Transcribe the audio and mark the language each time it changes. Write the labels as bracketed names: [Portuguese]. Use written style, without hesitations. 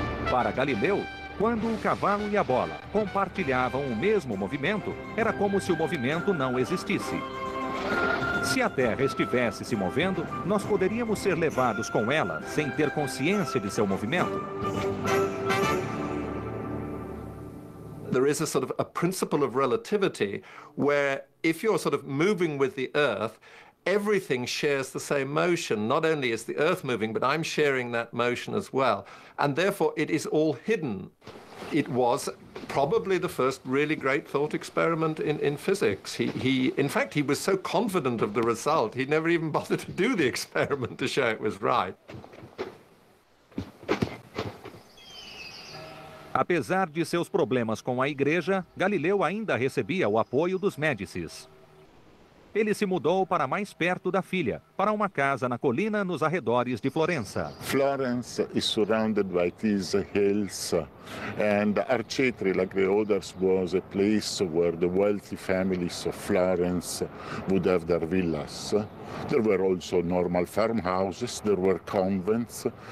[Portuguese] Para Galileu, Quando o cavalo e a bola compartilhavam o mesmo movimento, era como se o movimento não existisse. Se a Terra estivesse se movendo, nós poderíamos ser levados com ela sem ter consciência de seu movimento. [English] There is a sort of a principle of relativity where if you're sort of moving with the Earth, everything shares the same motion. Not only is the Earth moving, but I'm sharing that motion as well. And therefore, it is all hidden. It was probably the first really great thought experiment in physics. In fact, he was so confident of the result, he never even bothered to do the experiment to show it was right. [Portuguese] Apesar de seus problemas com a igreja, Galileu ainda recebia o apoio dos Médicis. Ele se mudou para mais perto da filha, para uma casa na colina nos arredores de Florença. [English] Florence is surrounded by these hills, and Arcetri, like the others, was a place where the wealthy families of Florence would have their villas. There were also normal farmhouses, there were convents.